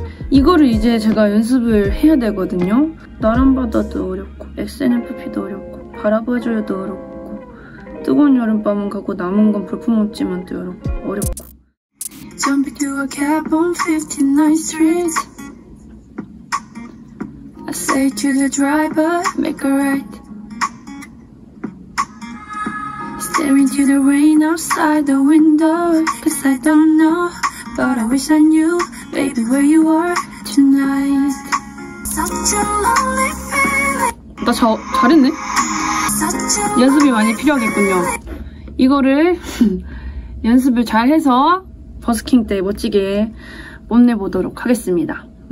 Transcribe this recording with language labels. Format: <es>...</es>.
<ko>이거를 이제 제가 연습을 해야 되거든요. 나란 바다도 어렵고 SNFP도 어렵고 바라봐줘요도 어렵고 뜨거운 여름밤은 가고 남은 건 볼품없지만도 어렵고</ko> <en>Jump into a cab on 59th Street. I say to the driver, make a right. Stare into the rain outside the window. Cause I don't know, but I wish I knew, baby, where you are tonight. Such a lonely feeling.</en> <ko>나 잘했네? 연습이 많이 필요하겠군요. 이거를 연습을 잘해서 버스킹 때 멋지게 뽐내보도록 하겠습니다.</ko>